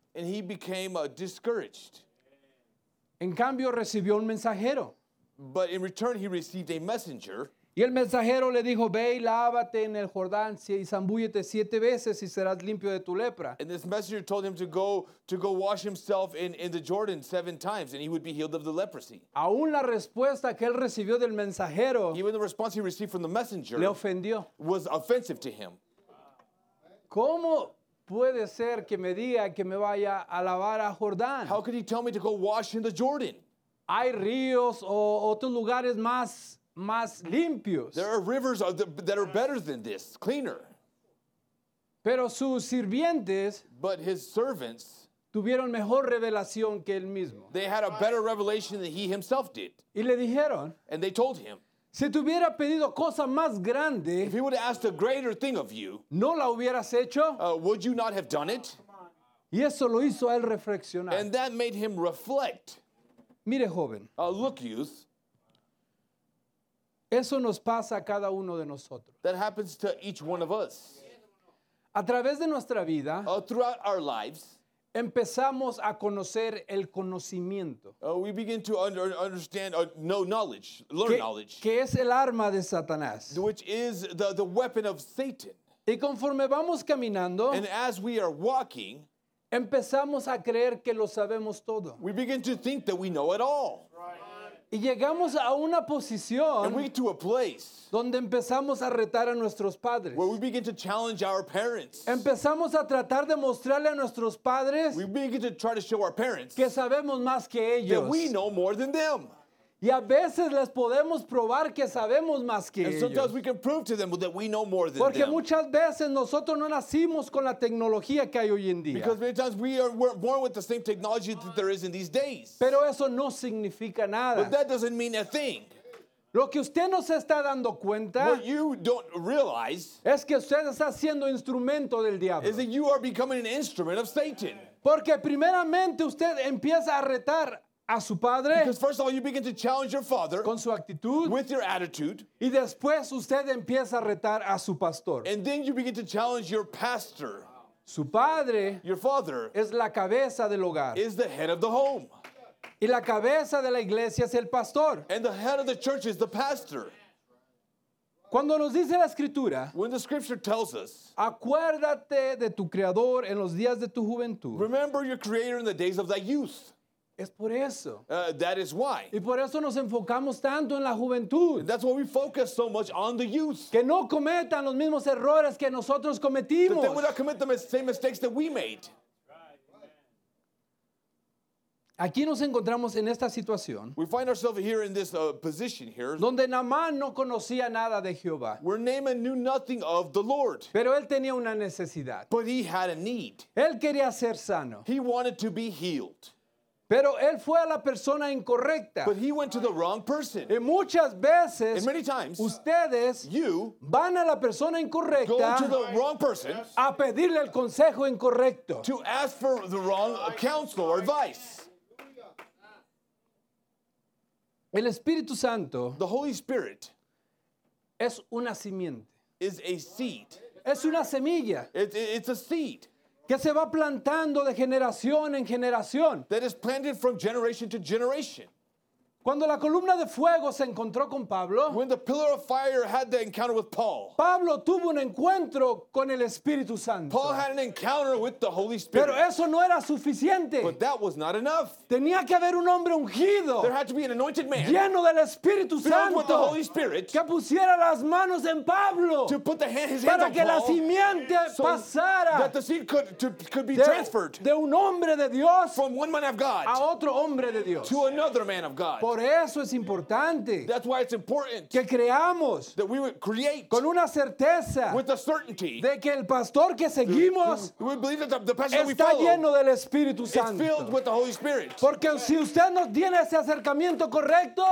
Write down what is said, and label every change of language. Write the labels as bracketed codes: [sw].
[en] And he became discouraged. [es] En cambio, recibió un mensajero. [en] But in return, he received a messenger. [es] Y el mensajero le dijo, ve y lávate en el Jordán y zambúllete siete veces y serás limpio de tu lepra. [en] And this messenger told him to go wash himself in the Jordan seven times and he would be healed of the leprosy. [es] Aún la respuesta que él recibió del mensajero, [en] even the response he received from the messenger, [es] le ofendió, [en] was offensive to him. [es] ¿Cómo puede ser que me diga que me vaya a lavar a Jordán? [en] How could he tell me to go wash in the Jordan? [es] Hay ríos o otros lugares más limpios. [en] There are rivers that are better than this, cleaner. [es] Pero sus sirvientes, [en] but his servants, [es] tuvieron mejor revelación que él mismo. [en] They had a better revelation than he himself did. [es] Y le dijeron, [en] and they told him, [es] si te hubiera pedido cosa más grande, [en] if he would have asked a greater thing of you, [es] no la hubieras hecho, [en] would you not have done it? [es] Y eso lo hizo a él reflexionar. [en] And that made him reflect. [es] Mire, joven. [en] Look, youth. [es] Eso nos pasa a cada uno de nosotros. [en] That happens to each one of us. [es] A través de nuestra vida, [en] throughout our lives, [es] empezamos a conocer el conocimiento. [en] We begin to understand, know knowledge, learn knowledge. [es] Que es el arma de Satanás. [en] Which is the weapon of Satan. [es] Y conforme vamos caminando, [en] and as we are walking, [es] empezamos a creer que lo sabemos todo. [en] We begin to think that we know it all. [es] Y llegamos a una posición donde empezamos a retar a nuestros padres. [en] Where we begin to challenge our parents. [es] Empezamos a tratar de mostrarle a nuestros padres que sabemos más que ellos. [en] That we know more than them. [es] Y a veces les podemos probar que sabemos más que ellos. [en] And sometimes we can prove to them that we know more than them. [es] Porque muchas veces nosotros no nacimos con la tecnología que hay hoy en día. [en] Because many times we're born with the same technology that there is in these days. [es] Pero eso no significa nada. [en] But that doesn't mean a thing. [es] Lo que usted no se está dando cuenta, [en] what you don't realize, [es] es que usted está siendo instrumento del diablo. [en] Is that you are becoming an instrument of Satan. [es] Porque primeramente usted empieza a retar a su padre, [en] because first of all, you begin to challenge your father [es] con su actitud, [en] with your attitude. [es] Y después usted empieza a retar a su pastor. [en] And then you begin to challenge your pastor. [es] Su padre, [en] your father, [es] es la cabeza del hogar, [en] is the head of the home. [es] Y la cabeza de la iglesia es el pastor. [en] And the head of the church is the pastor. [es] Cuando nos dice la escritura, [en] when the scripture tells us, [es] acuérdate de tu creador en los días de tu juventud. [en] Remember your creator in the days of thy youth. [es] Es por eso. [en] That is why. [es] Y por eso nos enfocamos tanto en la juventud. [en] And that's why we focus so much on the youth. [es] Que no cometan los mismos errores que nosotros cometimos. [en] That they would not commit the same mistakes that we made. [es] Aquí nos encontramos en esta situación. [en] We find ourselves here in this position here. [es] Donde Naamán no conocía nada de Jehová. [en] Where Naaman knew nothing of the Lord. [es] Pero él tenía una necesidad. [en] But he had a need. [es] Él quería ser sano. [en] He wanted to be healed. [es] Pero él fue a la persona incorrecta. [en] But he went to the wrong person. [es] Y muchas veces, [en] and many times, [es] ustedes, [en] you, [es] van a la persona incorrecta, [en] go to the wrong person, [es] a pedirle el consejo incorrecto, [en] to ask for the wrong counsel or advice. [es] El Espíritu Santo, [en] the Holy Spirit, [es] es una simiente, [en] is a seed, [es] es una semilla, [en] it's a seed, [es] que se va plantando de generación en generación. [en] That is planted from generation to generation. [es] Cuando la columna de fuego se encontró con Pablo, [en] when the pillar of fire had the encounter with Paul, [es] Pablo tuvo un encuentro con el Espíritu Santo. [en] Paul had an encounter with the Holy Spirit. [es] Pero eso no era suficiente. [en] But that was not enough. [es] Tenía que haber un hombre ungido, [en] there had to be an anointed man, [es] lleno del Espíritu [en] filled [es] Santo, [en] with the Holy Spirit, [es] que pusiera las manos en Pablo, [en] to put the hand, his [es] para [en] hands on [es] que [en] Paul, [es] la simiente [en] so [es] pasara, [en] that the seed could be transferred, [es] de un hombre de Dios, [en] from one man of God, [es] a otro hombre de Dios, [en] to another man of God. [es] Por eso es importante, [en] that's why it's important, [es] que creamos, [en] that we would create, [es] con una certeza, [en] with a certainty, [es] de que el pastor que seguimos, [en] we believe that the pastor [es] está [en] that we follow, [es] lleno del Espíritu Santo, [en] is filled with the Holy Spirit. [es] Porque si usted no tiene ese acercamiento correcto,